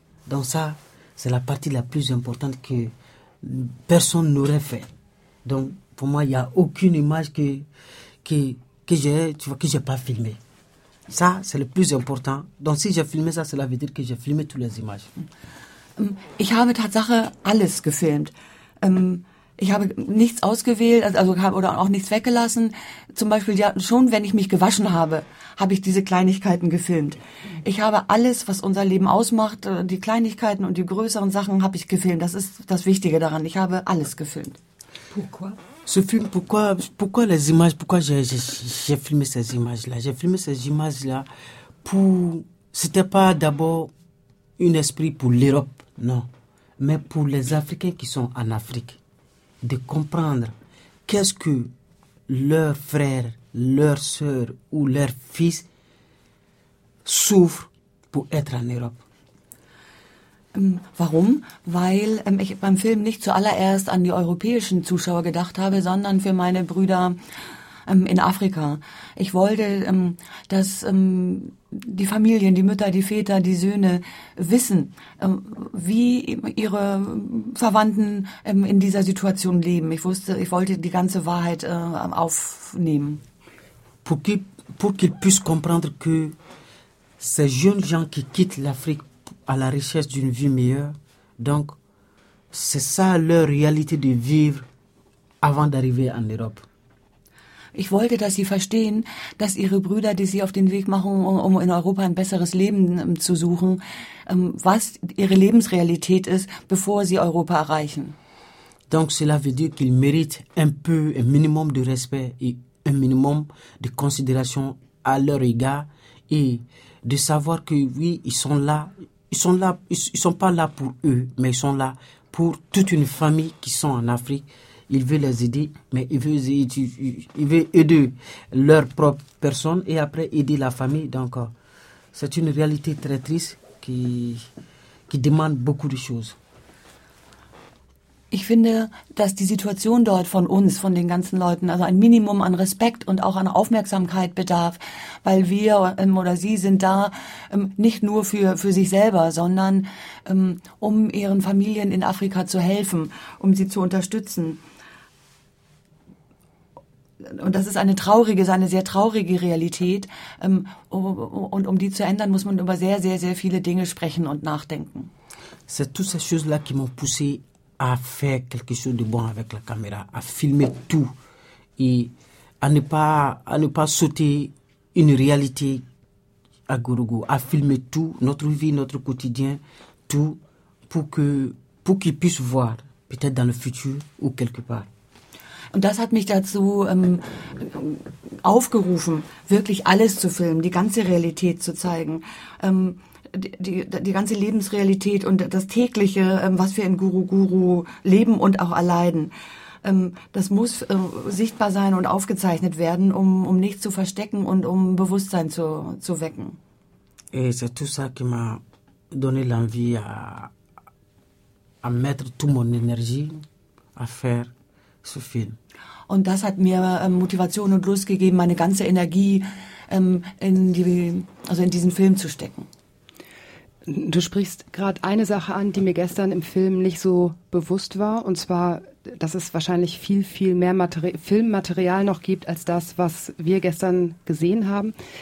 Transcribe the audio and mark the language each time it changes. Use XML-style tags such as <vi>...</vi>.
<fr>Donc ça, c'est la partie la plus importante que personne n'aurait fait. Donc, pour moi, il n'y a aucune image que j'ai pas filmé. Ça, c'est le plus important. Donc si j'ai filmé ça, cela veut dire que j'ai filmé toutes les images.</fr> <de>Ich habe Tatsache alles gefilmt. Ich habe nichts ausgewählt, also oder auch nichts weggelassen. Zum Beispiel ja, schon, wenn ich mich gewaschen habe, habe ich diese Kleinigkeiten gefilmt. Ich habe alles, was unser Leben ausmacht, die Kleinigkeiten und die größeren Sachen, habe ich gefilmt. Das ist das Wichtige daran. Ich habe alles gefilmt.</de> <fr>Pourquoi? Ce film, pourquoi les images, pourquoi j'ai filmé ces images-là? J'ai filmé ces images-là pour... C'était pas d'abord un esprit pour l'Europe, non. Mais pour les Africains qui sont en Afrique. De comprendre qu'est-ce que leur frère, leur sœur ou leur fils souffrent pour être en Europe.</fr> <de>Warum? Weil ich beim Film nicht zuallererst an die europäischen Zuschauer gedacht habe, sondern für meine Brüder in Afrika. Ich wollte, dass die Familien, die Mütter, die Väter, die Söhne wissen, wie ihre Verwandten in dieser Situation leben. Ich wollte die ganze Wahrheit aufnehmen.</de> <fr>Pour qu'ils puissent comprendre que ces jeunes gens qui quittent l'Afrique à la recherche d'une vie meilleure, donc c'est ça leur réalité de vivre avant d'arriver en Europe.</fr> <de>Ich wollte, dass sie verstehen, dass ihre Brüder, die sie auf den Weg machen, um in Europa ein besseres Leben zu suchen, was ihre Lebensrealität ist, bevor sie Europa erreichen.</de> <fr>Donc cela veut dire qu'ils méritent un peu, un minimum de respect et un minimum de considération à leur égard et de savoir que oui, ils sont là, ils sont pas là pour eux, mais ils sont là pour toute une famille qui sont en Afrique. Il veut les aider, mais il veut aider leur propre personne et après aider la famille. Donc, c'est une réalité très triste qui demande beaucoup de choses.</fr> <de>Ich finde, dass die Situation dort von uns, von den ganzen Leuten, also ein Minimum an Respekt und auch an Aufmerksamkeit bedarf, weil wir oder sie sind da nicht nur für sich selber, sondern um ihren Familien in Afrika zu helfen, um sie zu unterstützen. Und das ist eine sehr traurige Realität. Und um die zu ändern, muss man über sehr, sehr, sehr viele Dinge sprechen und nachdenken.</de> <fr>C'est toutes ces choses-là qui m'ont poussé à faire quelque chose de bon avec la caméra, à filmer tout et à ne pas sauter une réalité à Gorogo, à filmer tout, notre vie, notre quotidien, tout, pour qu'ils puissent voir, peut-être dans le futur ou quelque part.</fr> <de>Und das hat mich dazu aufgerufen, wirklich alles zu filmen, die ganze Realität zu zeigen, die ganze Lebensrealität und das Tägliche, was wir in Guruguru leben und auch erleiden. Das muss sichtbar sein und aufgezeichnet werden, um nichts zu verstecken und um Bewusstsein zu wecken.</de> <fr>Et c'est tout ça qui m'a donné l'envie à mettre toute mon énergie à faire ce film.</fr> <de>Und das hat mir Motivation und Lust gegeben, meine ganze Energie in diesen Film zu stecken. Du sprichst gerade eine Sache an, die mir gestern im Film nicht so bewusst war. Und zwar, dass es wahrscheinlich viel, viel mehr Filmmaterial noch gibt, als das, was wir gestern gesehen haben.</de>